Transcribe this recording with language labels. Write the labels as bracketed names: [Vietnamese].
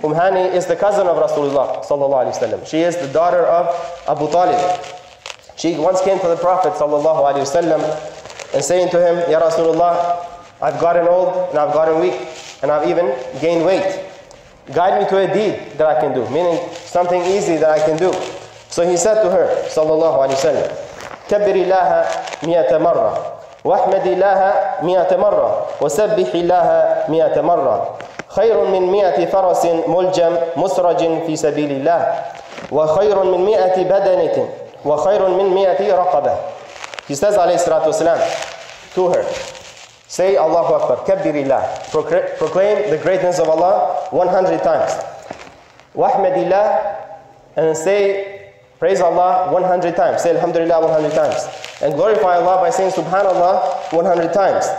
[English] Umhani is the cousin of Rasulullah sallallahu alayhi wa sallam. She is the daughter of Abu Talib. She once came to the Prophet sallallahu alayhi wa sallam and saying to him, Ya Rasulullah, I've gotten old and I've gotten weak and I've even gained weight. Guide me to a deed that I can do, meaning something easy that I can do. So he said to her [Arabic] sallallahu alayhi wa sallam, كَبِّرِ اللَّهَ مِيَةَ مَرَّةً وَأَحْمَدِ اللَّهَ مِيَةَ مَرَّةً وَسَبِّحِ اللَّهَ مِيَةَ مَرَّةً خير من مئة فرس ملجم مسرج في سبيل الله وخير من مئة بدنة وخير من مئة رقبة. [English] He says عليه الصلاة والسلام to her, say Allahu Akbar, [Arabic] كبر الله, [English] proclaim the greatness of Allah 100 times. [Arabic] وحمد الله, [English] and say praise Allah 100 times. Say Alhamdulillah 100 times. And glorify Allah by saying Subhanallah 100 times.